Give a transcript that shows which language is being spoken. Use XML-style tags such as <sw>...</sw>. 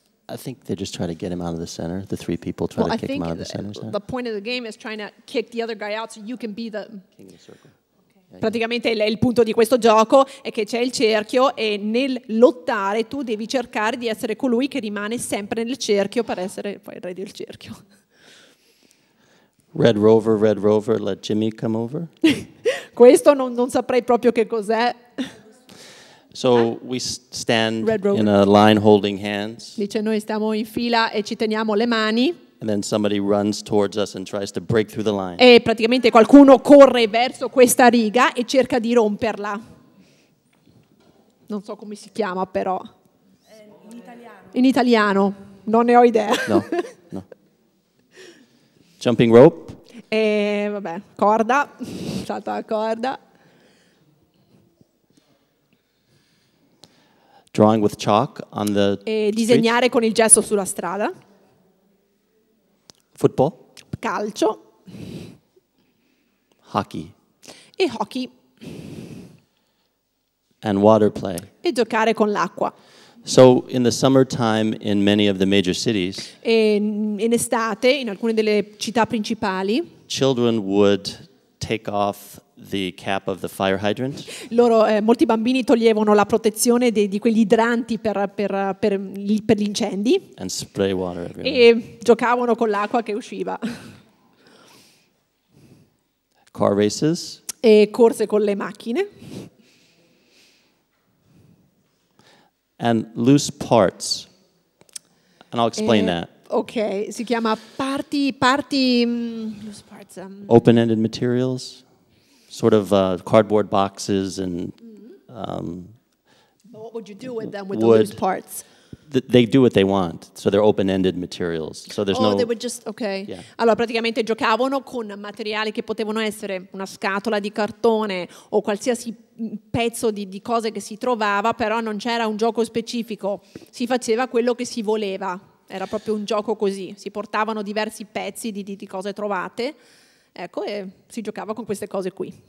<en>I think they just try to get him out of the center. The three people try to kick him out of the center. The point of the game is trying to kick the other guy out so you can be the king of the circle.</en> <it>Praticamente il punto di questo gioco è che c'è il cerchio e nel lottare tu devi cercare di essere colui che rimane sempre nel cerchio per essere poi il re del cerchio.</it> <en>Red Rover, let Jimmy come over.</en> <it>Questo non saprei proprio che cos'è.</it> <en>So we stand in a line holding hands.</en> <it>Dice noi stiamo in fila e ci teniamo le mani.</it> <en>And then somebody runs towards us and tries to break through the line.</en> <it>E praticamente qualcuno corre verso questa riga e cerca di romperla. Non so come si chiama però. In italiano. Non ne ho idea.</it> <en>No. Jumping rope.</en> <it>E vabbè, corda. Salto a corda.</it> <en>Drawing with chalk on the</en> <it>e disegnare</it> <en>street.</en> <it>Con il gesso sulla strada.</it> <en>Football.</en> <it>Calcio.</it> <en>Hockey.</en> <it>E hockey.</it> <en>And water play.</en> <it>E giocare con l'acqua.</it> <en>So in the summertime in many of the major cities.</en> <it>E in estate in alcune delle città principali.</it> <en>Children would take off the cap of the fire hydrant.</en> <it>Loro molti bambini toglievano la protezione di quegli idranti per gli incendi.</it> <en>And spray water everywhere.</en> <it>E giocavano con l'acqua che usciva.</it> <en>Car races.</en> <it>E corse con le macchine.</it> <en>And loose parts. And I'll explain that.</en> <it>Ok, si chiama parti loose parts.</it> <en>Open-ended materials. Sort of cardboard boxes and what would you do with them with the loose parts? they do what they want, so they're open-ended materials. So there's oh, no. Oh, they were just okay. Yeah.</en> <it>Allora, praticamente giocavano con materiali che potevano essere una scatola di cartone o qualsiasi pezzo di cose che si trovava, però non c'era un gioco specifico. Si faceva quello che si voleva. Era proprio un gioco così. Si portavano diversi pezzi di cose trovate. Ecco, e si giocava con queste cose qui.</it>